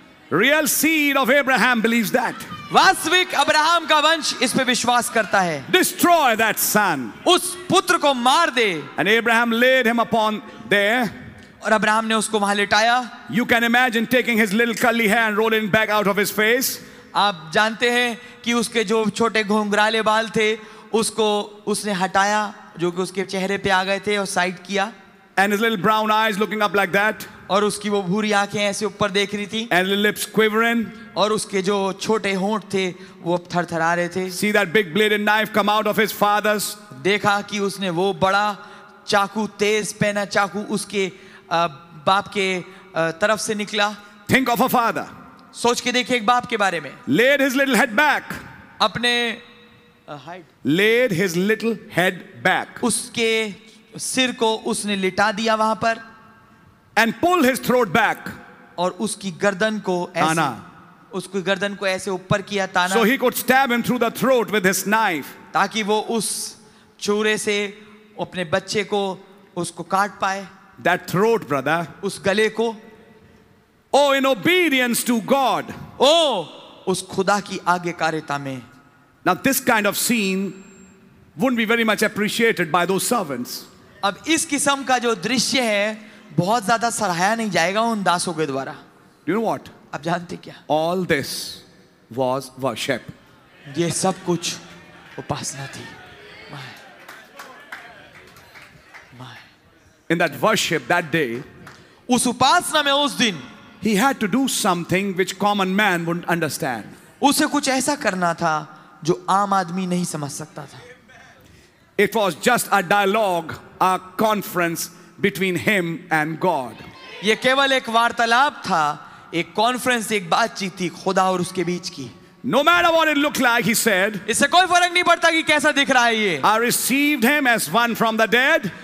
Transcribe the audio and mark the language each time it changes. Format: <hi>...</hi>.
<en>Real seed of Abraham believes that.</en> <hi>वास्तविक Abraham का वंश इस पे विश्वास करता है</hi> <en>Destroy that son.</en> <hi>उस पुत्र को मार दे</hi> <en>And Abraham laid him upon there.</en> <hi>और अब्राहम ने उसको वहां लिटाया</hi> <en>You can imagine taking his little curly hair and rolling it back out of his face.</en> <hi>आप जानते हैं कि उसके जो छोटे घुंघराले बाल थे उसको उसने हटाया जो कि उसके चेहरे पे आ गए थे और साइड किया</hi> <en>And his little brown eyes looking up like that.</en> <hi>और उसकी वो भूरी आंखें ऐसे ऊपर देख रही थी</hi> <en>And lips quivering.</en> <hi>और उसके जो छोटे होंठ थे वो थरथरा रहे थे</hi> <en>See that big bladed knife come out of his father's.</en> <hi>देखा कि उसने वो बड़ा चाकू तेज पहना चाकू उसके बाप के तरफ से निकला</hi> <en>Think of a father.</en> <hi>सोच के देखे एक बाप के बारे में</hi> <en>Laid his little head back.</en> <hi>अपने</hi> <en>Laid his little head back.</en> <hi>उसके सिर को उसने लिटा दिया वहां पर</hi> <en>And pull his throat back.</en> <hi>और उसकी गर्दन को ऐसे उसकी गर्दन को ऐसे ऊपर किया ताना.</hi> <en>So he could stab him through the throat with his knife.</en> <hi>ताकि वो उस चूरे से अपने बच्चे को उसको काट पाए.</hi> <en>That throat, brother.</en> <hi>उस गले को.</hi> <en>Oh, in obedience to God.</en> <hi>Oh, उस खुदा की आज्ञाकारिता में.</hi> <en>Now this kind of scene wouldn't be very much appreciated by those servants.</en> <hi>अब इस किस्म का जो दृश्य है बहुत ज्यादा सराहाया नहीं जाएगा उन दासों के द्वारा.</hi> <en>Do you know what?</en> <hi>अब जानते क्या?</hi> <en>All this was worship.</en> <hi>ये सब कुछ उपासना थी. My.</hi> <en>My. In that worship that day,</en> <hi>उस उपासना में उस दिन,</hi> <en>he had to do something which common man wouldn't understand.</en> <hi>उसे कुछ ऐसा करना था जो आम आदमी नहीं समझ सकता था.</hi> <en>It was just a dialogue, a conference between him and God.</en> <hi>ये केवल एक वार्तालाप था, एक कॉन्फ्रेंस, एक बातचीत थी खुदा और उसके बीच की.</hi> <en>No matter what it looked like, he said,</en> <hi>इससे कोई फर्क नहीं पड़ता कि कैसा दिख रहा है ये.</hi> <en>I received him as one from the dead.</en>